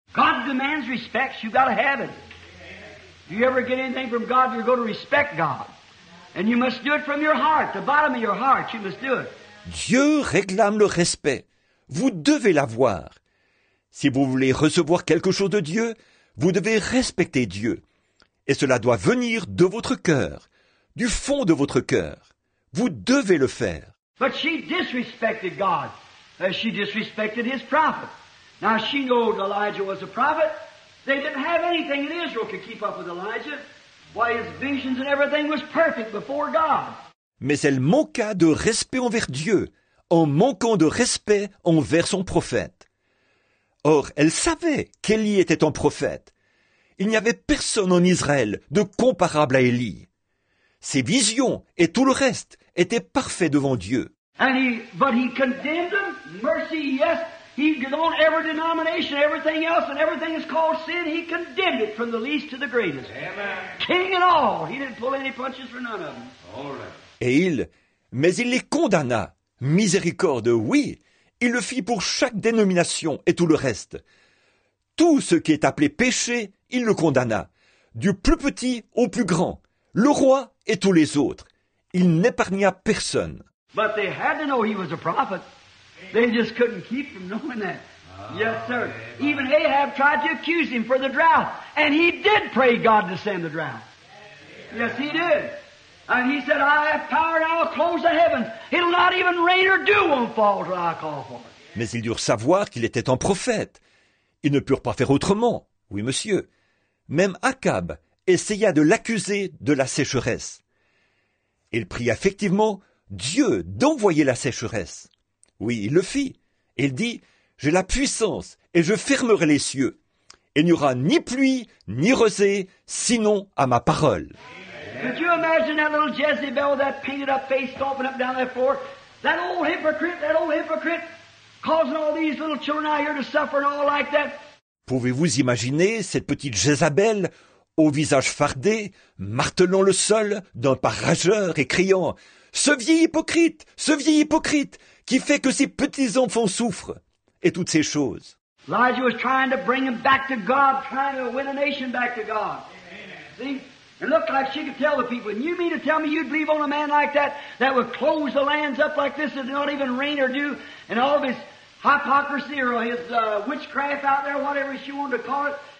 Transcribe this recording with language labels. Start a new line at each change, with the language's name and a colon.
English: God demands respect, you gotta have it. If you ever get anything from God, you're going to respect God. And you must do it from your heart, the bottom of your heart, you must do it.
French: Dieu réclame le respect. Vous devez l'avoir. Si vous voulez recevoir quelque chose de Dieu, vous devez respecter Dieu. Et cela doit venir de votre cœur, du fond de votre cœur. Vous devez le faire.
English: But she disrespected God. She disrespected his prophet. Now she knew Elijah was a prophet. They didn't have anything in Israel could keep up with Elijah. Why, his visions and everything was perfect before God.
French: Mais elle manqua de respect envers Dieu, en manquant de respect envers son prophète. Or, elle savait qu'Élie était un prophète. Il n'y avait personne en Israël de comparable à Élie. Ses visions et tout le reste étaient parfaits devant Dieu.
English: But he condemned them. Mercy, yes. He condemned every denomination, everything else, and everything is called sin. He condemned it from the least to the greatest. Amen. King and all. He didn't pull any punches for none of them. All right.
French: Mais il les condamna. Miséricorde, oui. Il le fit pour chaque dénomination et tout le reste. Tout ce qui est appelé péché, il le condamna. Du plus petit au plus grand. Le roi et tous les autres. Il n'épargna personne.
English: But they had to know he was a prophet. They just couldn't keep from knowing that. Yes, sir. Even Ahab tried to accuse him for the drought. And he did pray God to send the drought. Yes, he did. And he said, I have power and I will close the heavens. It'll not even rain or dew won't fall till I call for it.
French: Mais ils durent savoir qu'il était un prophète. Ils ne purent pas faire autrement. Oui, monsieur. Même Achab essaya de l'accuser de la sécheresse. Il pria effectivement Dieu d'envoyer la sécheresse. Oui, il le fit. Il dit, j'ai la puissance et je fermerai les cieux. Il n'y aura ni pluie, ni rosée, sinon à ma parole.
English: Could you imagine that little Jezebel with that painted up face stomping up down that floor? That old hypocrite, causing all these little children out here to suffer and all like that?
French: Pouvez-vous imaginer cette petite Jezabel au visage fardé, martelant le sol d'un pas rageur et criant « ce vieil hypocrite qui fait que ses petits enfants souffrent !» et toutes ces choses.
English: Elijah was trying to bring him back to God, trying to win a nation back to God. See? It looked like she could tell the people, and you mean to tell me you'd believe on a man like that, that would close the lands up like this and not even rain or dew, and all of his hypocrisy or his witchcraft out there, whatever she wanted to call it.